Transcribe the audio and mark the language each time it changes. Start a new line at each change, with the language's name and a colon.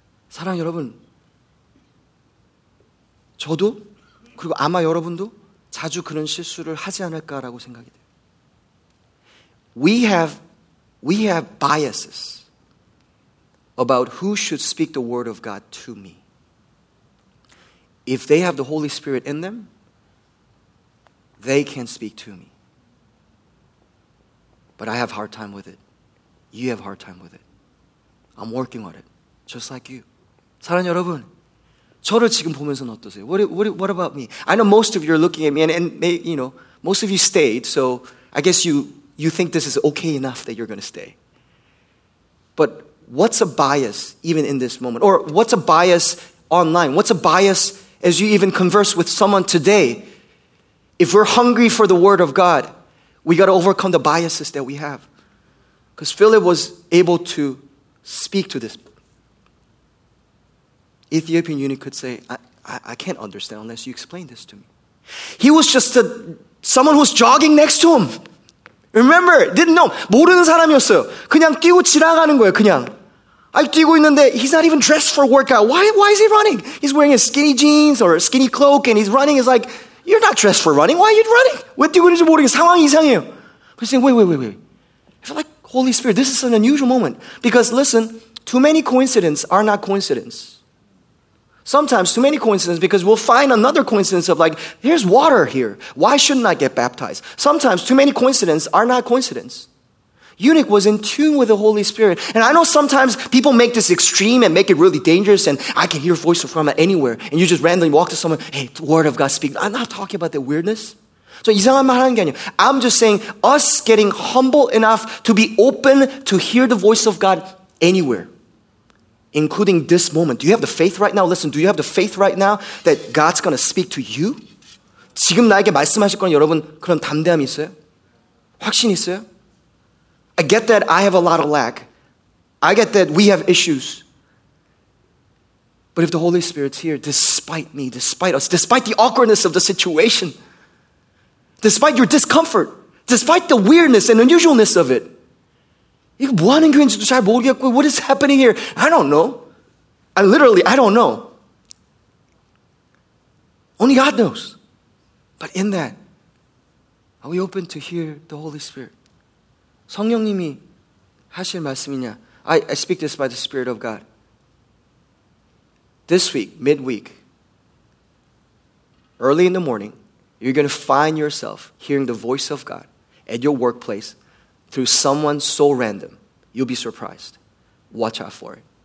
Korean: 사랑 여러분, 저도 그리고 아마 여러분도 자주 그런 실수를 하지 않을까라고 생각이 돼요.
English: We have biases about who should speak the word of God to me. If they have the Holy Spirit in them, they can speak to me. But I have a hard time with it. You have a hard time with it. I'm working on it, just like you.
Korean: 사랑하는 여러분, 저를 지금 보면서는 어떠세요?
English: What about me? I know most of you are looking at me, and you know, most of you stayed, so I guess you think this is okay enough that you're going to stay. But what's a bias even in this moment? Or what's a bias online? What's a bias as you even converse with someone today? If we're hungry for the word of God, we got to overcome the biases that we have. Because Philip was able to speak to this. Ethiopian eunuch could say, I can't understand unless you explain this to me. He was just someone who was jogging next to him. Remember, didn't know.
Korean: 모르는 사람이었어요. 그냥 뛰고 지나가는 거예요, 그냥. 아니, 뛰고 있는데,
English: he's not even dressed for workout. Why is he running? He's wearing his skinny jeans or a skinny cloak and he's running. He's like, you're not dressed for running. Why are you running?
Korean: 왜 뛰고 있는지 모르겠어. 상황이 이상해요.
English: But he's saying, wait. I feel like, Holy Spirit, this is an unusual moment. Because listen, too many coincidences are not coincidence. Sometimes too many coincidences because we'll find another coincidence of like, here's water here. Why shouldn't I get baptized? Sometimes too many coincidences are not coincidence. Eunuch was in tune with the Holy Spirit. And I know sometimes people make this extreme and make it really dangerous and I can hear voices from anywhere. And you just randomly walk to someone, hey, the word of God speak. I'm not talking about the weirdness.
Korean: So 이상한 말 하는 게 아니에요.
English: I'm just saying us getting humble enough to be open to hear the voice of God anywhere. Including this moment. Do you have the faith right now? Listen, do you have the faith right now that God's going to speak to you?
Korean: 지금 나에게 말씀하실 건 여러분 그런 담대함 있어요? 확신 있어요?
English: I get that I have a lot of lack. I get that we have issues. But if the Holy Spirit's here, despite me, despite us, despite the awkwardness of the situation, despite your discomfort, despite the weirdness and unusualness of it,
Korean: 이거 뭐 하는 교회인지도 잘 모르겠고,
English: what is happening here? I don't know. I literally, I don't know. Only God knows. But in that, are we open to hear the Holy Spirit?
Korean: 성령님이 하실 말씀이냐?
English: I speak this by the Spirit of God. This week, midweek, early in the morning, you're going to find yourself hearing the voice of God at your workplace through someone so random. You'll be surprised. Watch out for it.